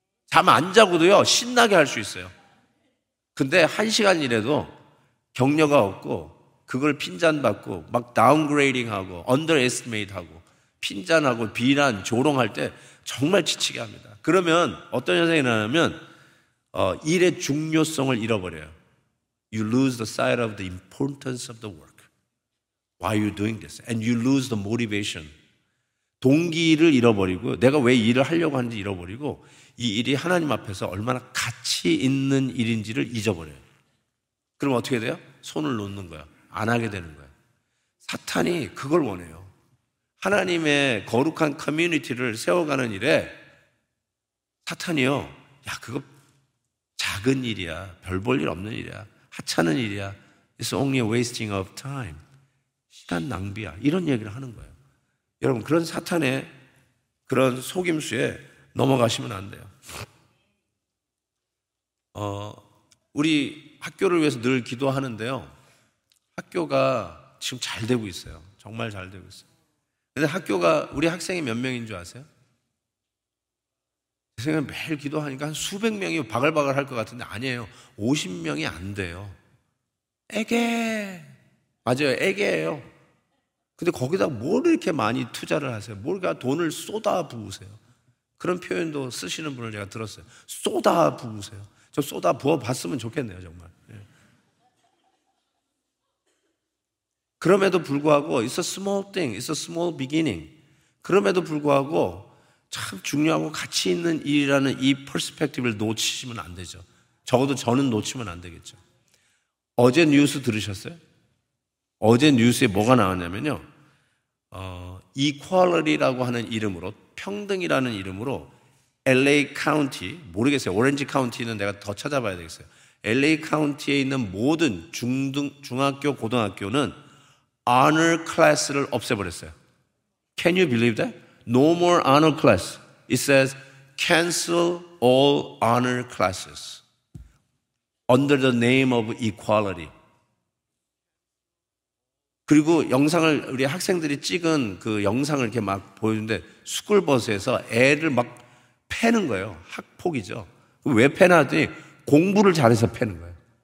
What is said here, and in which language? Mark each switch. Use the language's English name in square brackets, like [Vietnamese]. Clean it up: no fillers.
[Korean] 잠 안 자고도요 신나게 할 수 있어요. 근데 한 시간 일해도 격려가 없고 그걸 핀잔받고 막 다운그레이딩하고 언더에스티메이트하고 핀잔하고 비난, 조롱할 때 정말 지치게 합니다. 그러면 어떤 현상이 나냐면 일의 중요성을 잃어버려요. [English] You lose the sight of the importance of the work. Why are you doing this? And you lose the motivation. [Korean] 동기를 잃어버리고 내가 왜 일을 하려고 하는지 잃어버리고 이 일이 하나님 앞에서 얼마나 가치 있는 일인지를 잊어버려요. 그럼 어떻게 돼요? 손을 놓는 거야. 안 하게 되는 거야. 사탄이 그걸 원해요. 하나님의 거룩한 커뮤니티를 세워가는 일에 사탄이요. 야, 그거 작은 일이야. 별 볼 일 없는 일이야. 하찮은 일이야. [English] It's only a wasting of time. [Korean] 시간 낭비야. 이런 얘기를 하는 거예요. 여러분, 그런 사탄의 그런 속임수에 넘어가시면 안 돼요. 우리 학교를 위해서 늘 기도하는데요. 학교가 지금 잘 되고 있어요. 정말 잘 되고 있어요. 근데 학교가 우리 학생이 몇 명인 줄 아세요? 제 생각에 매일 기도하니까 한 수백 명이 바글바글 할 것 같은데 아니에요. 50명이 안 돼요. 에게! 맞아요. 에게예요. 근데 거기다 뭘 이렇게 많이 투자를 하세요? 뭘 그냥 돈을 쏟아 부으세요? 그런 표현도 쓰시는 분을 제가 들었어요. 쏟아 부으세요. 저 쏟아 부어봤으면 좋겠네요, 정말. 그럼에도 불구하고 [English] It's a small thing, it's a small beginning. [Korean] 그럼에도 불구하고 참 중요하고 가치 있는 일이라는 이 퍼스펙티브를 놓치시면 안 되죠. 적어도 저는 놓치면 안 되겠죠. 어제 뉴스 들으셨어요? 어제 뉴스에 뭐가 나왔냐면요. Equality라고 하는 이름으로, 평등이라는 이름으로 LA 카운티, 모르겠어요. 오렌지 카운티는 내가 더 찾아봐야 되겠어요. LA 카운티에 있는 모든 중학교, 고등학교는 honor class를 없애버렸어요. [English] Can you believe that? No more honor class. It says cancel all honor classes under the name of equality. [Korean] 그리고 영상을 우리 학생들이 찍은 그 영상을 이렇게 막 보여주는데 스쿨버스에서 애를 막 패는 거예요. 학폭이죠. 왜 패나 하더니 공부를 잘해서 패는 거예요.